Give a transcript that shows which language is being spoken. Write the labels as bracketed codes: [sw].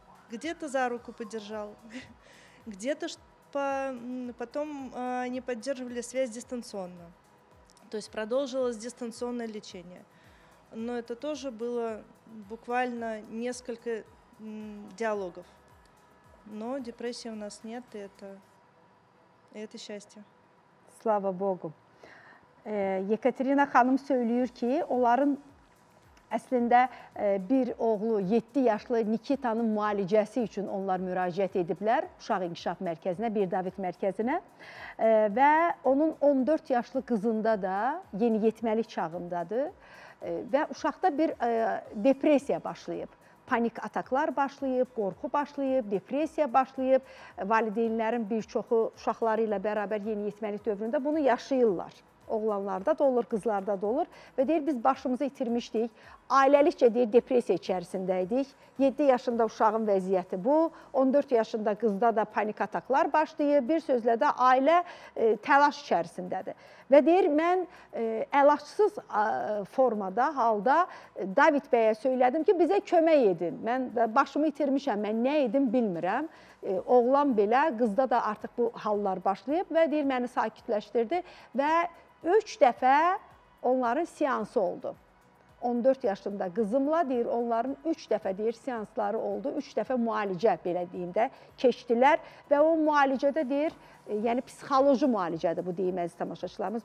[ru] где-то за руку подержал, где-то потом они поддерживали связь дистанционно. То есть продолжилось дистанционное лечение. Но это тоже было буквально несколько диалогов. Но депрессии у нас нет, и это счастье. Слава Богу. [az] Екатерина ханым söylüyor ki, onların əslində bir oğlu 7 yaşlı Nikitanın müalicəsi üçün onlar müraciət ediblər Uşaq İnkişaf Mərkəzinə, Bir Davit Mərkəzinə və onun 14 yaşlı qızında da yeni yetməlik çağındadır və uşaqda bir depressiya başlayıb. Panik ataklar başlayıb, qorxu başlayıb, depressiya başlayıb. Valideynlərin bir çoxu uşaqları ilə bərabər yeni yetməlik dövründə bunu yaşayırlar. Oğlanlarda da olur, kızlarda da olur. Ve deyir, biz başımızı itirmişdik. Ailəlikçe deyir, depresiya içerisindeydik. 7 yaşında uşağın vəziyyəti bu. 14 yaşında kızda da panik ataklar başlayıb. Bir sözlə də ailə təlaş içerisindədir. Ve deyir, mən əlaçsız formada, halda David bəyə söylədim ki, bizə kömək edin. Mən başımı itirmişəm, mən nə edim bilmirəm. Oğlan belə, kızda da artık bu hallar başlayıb. Ve deyir, məni sakitləşdirdi. Ve 3 dəfə onların seansı oldu. 14 yaşında qızımla deyir, onların 3 dəfə deyir seansları oldu. 3 dəfə müalicə belə deyəndə keçdilər və o müalicədə deyir, yəni psixoloji müalicədir bu deyim əziz tamaşaçılarımız.